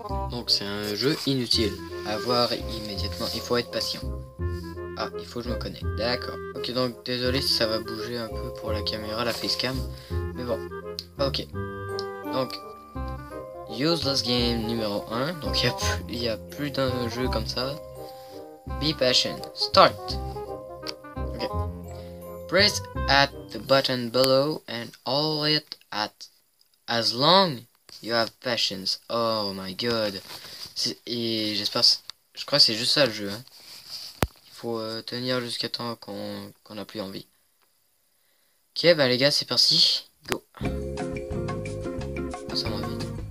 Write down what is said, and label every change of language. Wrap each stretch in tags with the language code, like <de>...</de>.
<fr>Donc, c'est un jeu inutile. À voir immédiatement. Il faut être patient. Ah, il faut que je me connecte. D'accord. Ok, donc, désolé si ça va bouger un peu pour la caméra, la facecam. Mais bon. Ok. Donc, Useless Game numéro 1. Donc, il y a plus d'un jeu comme ça.</fr> <en>Be patient. Start. Okay. Press at the button below and hold it at as long you have patience. Oh my god.</en> <fr>Je crois que c'est juste ça le jeu. Hein. Il faut tenir jusqu'à temps qu'on n'a plus envie. Ok, bah les gars, c'est parti. Go. Ça va vite.</fr>